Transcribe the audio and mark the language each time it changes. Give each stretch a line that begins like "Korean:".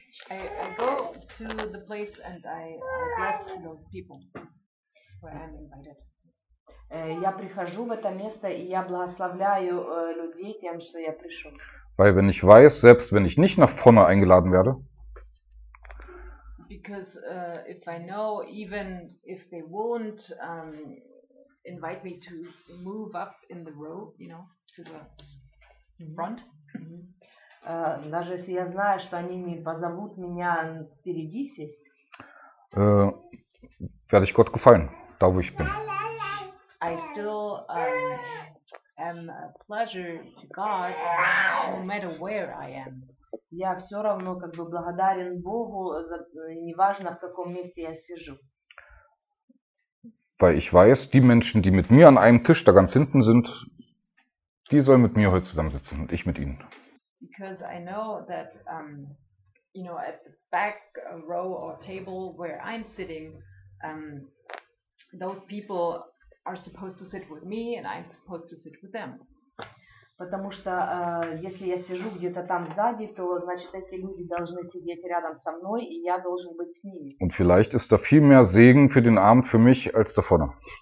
English: I go to the place and I bless those people where I'm invited.
Russian: Я прихожу в это место и я благословляю людей тем, что я пришел.
German: Weil wenn ich weiß, selbst wenn ich nicht nach vorne eingeladen werde,
English: because if I know, even if they won't invite me to move up in the row, you know, to the front,
Russian: даже если я знаю, что они не позовут меня впереди сесть,
German: werde ich Gott gefallen, da wo ich bin.
English: I still am a pleasure to God, no matter where I am.
Russian: Я все равно как бы благодарен Богу, неважно в каком месте я сижу.
German: Weil ich weiß, die Menschen, die mit mir an einem Tisch da ganz hinten sind, die sollen mit mir heute zusammensitzen und ich mit ihnen.
English: Because I know that, you know, at the back row or table where I'm sitting, those people are supposed to sit with me and I'm supposed to sit with them.
Russian: Потому что если я сижу где-то там сзади, то значит эти люди должны сидеть рядом со мной и я должен быть с ними.
German: Und vielleicht ist da viel mehr Segen für den Abend für mich als da vorne.